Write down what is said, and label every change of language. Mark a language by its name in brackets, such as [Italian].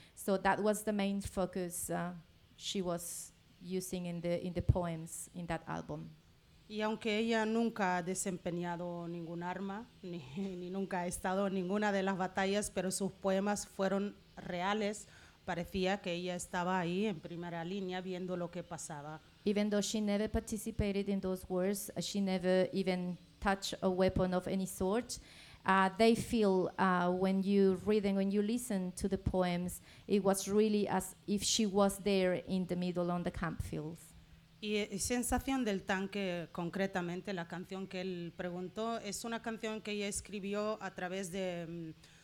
[English] So that was the main focus she was using in the poems in that album. [Spanish] Y aunque ella nunca ha desempeñado ningún arma ni nunca ha estado en ninguna de las batallas, pero sus poemas fueron reales parecía que ella estaba ahí en primera línea viendo lo que pasaba. [English] Even though she never participated in those wars, she never even touched a weapon of any sort. They feel when you read and when you listen to the poems, it was really as if she was there in the middle on the camp fields. [Spanish] Y sensación del tanque, concretamente, la canción que él preguntó, es una canción que ella escribió a través de...